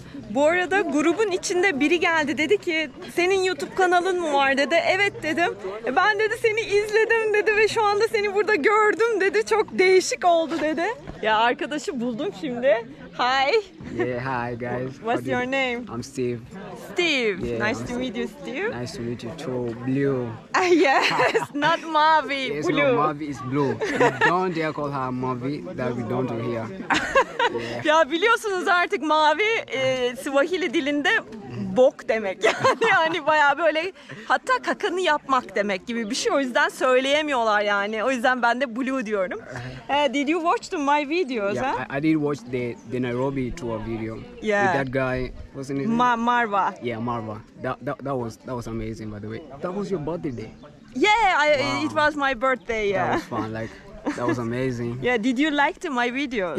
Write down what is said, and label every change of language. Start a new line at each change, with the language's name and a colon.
Turkish: Bu arada grubun içinde biri geldi, dedi ki senin YouTube kanalın mı var dedi. Evet dedim. Ben dedi seni izledim dedi ve şu anda seni burada gördüm dedi. Çok değişik oldu dedi. Ya arkadaşı buldum şimdi.
English: Hi. Yeah, hi guys. What's your name? I'm Steve. Steve. Yeah, nice to meet you, Steve. Nice to meet you too. Blue. Yes, not Mavi. Yes, blue. No, Mavi is blue. Don't dare call her Mavi, that we don't do here. Yeah.
Turkish: Ya biliyorsunuz artık Mavi Swahili dilinde bok demek. Yani bayağı böyle, hatta kakanı yapmak demek gibi bir şey. O yüzden söyleyemiyorlar yani. O yüzden ben de blue diyorum.
English: Did you watch my videos? Yeah, huh? I did watch the Nairobi tour video. Yeah. With that guy. Wasn't it? Marva. Yeah, Marva. That was amazing, by the way. That was your birthday. Yeah, wow. It was my birthday, yeah. That was fun, like. That was amazing. Yeah, did you like my videos?